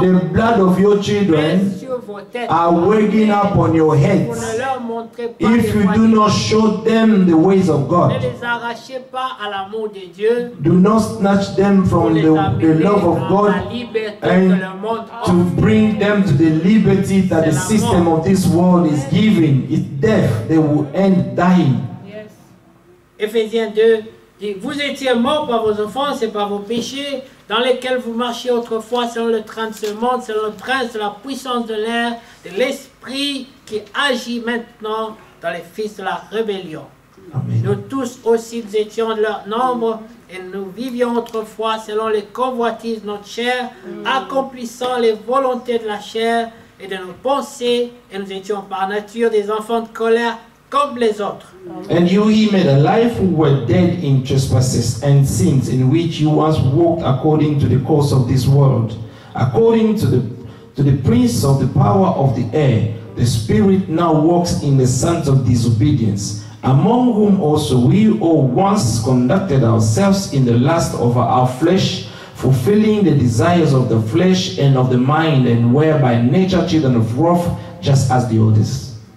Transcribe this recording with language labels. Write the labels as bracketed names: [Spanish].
[English] the blood of your children are waking up on your heads. If you do not show them the ways of God, [French] ne les arrachez pas à l'amour de Dieu, [English] do not snatch them from the love of God and to bring them to the liberty that the system of this world is giving. Death, they will end dying. Yes. [French] Ephesians 2 dit, vous étiez morts par vos offenses et par vos péchés, dans lesquels vous marchiez autrefois selon le train de ce monde, selon le prince de la puissance de l'air, de l'esprit qui agit maintenant dans les fils de la rébellion. Amen. Nous tous aussi, nous étions de leur nombre et nous vivions autrefois selon les convoitises de notre chair, accomplissant les volontés de la chair et de nos pensées, et nous étions par nature des enfants de colère comme les autres. [English] And you he made alive who were dead in trespasses and sins in which you once walked according to the course of this world, according to the prince of the power of the air, the spirit now works in the sons of disobedience, among whom also we all once conducted ourselves in the lust of our flesh, fulfilling the desires of the flesh and of the mind, and were by nature children of wrath, just as the others.